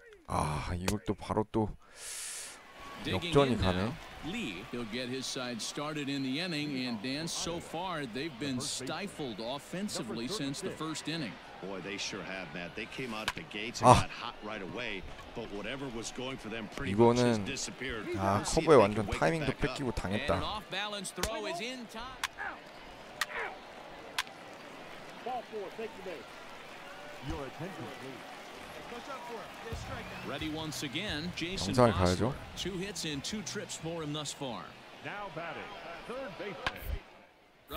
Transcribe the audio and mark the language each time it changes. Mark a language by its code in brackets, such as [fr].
[ko] 아, 이걸 또 바로 또 역전이 가네. [en] Lee, he'll get his side started in the inning, and Dan, so far they've been stifled offensively since the first inning. Boy, they sure have, Matt. They came out of the gates and got hot right away, but whatever was going for them pretty much has disappeared. [ko] 아, 커버에 완전 타이밍도 뺏기고 당했다. [en] And an off-balance throw is in time. Ball four, thank you, Dave. Your attention, please. Ready once again, Jason. [ko] 영상을 봐야죠. [en] Two hits and two trips for him thus far. Now batting, third baseman.